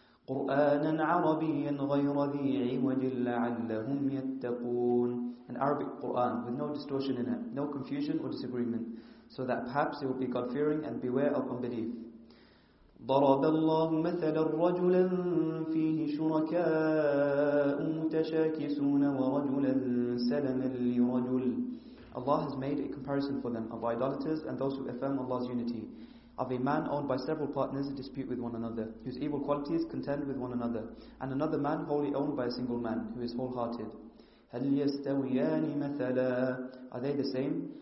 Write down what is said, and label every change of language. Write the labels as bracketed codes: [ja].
[ar] قرآنا عربيا غير ذي عوج لعلهم يتقون. [en] An Arabic Quran with no distortion in it, no confusion or disagreement, so that perhaps you will be God-fearing and beware of unbelief. [ar] ضرب الله مثلا رجلا فيه شركاء متشاكسون ورجلا سلما لرجل. [en] Allah has made a comparison for them of idolaters and those who affirm Allah's unity, of a man owned by several partners in dispute with one another, whose evil qualities contend with one another, and another man wholly owned by a single man, who is wholehearted. [ar] هَلْ يَسْتَوْيَانِ مَثَلًا. [en] Are they the same?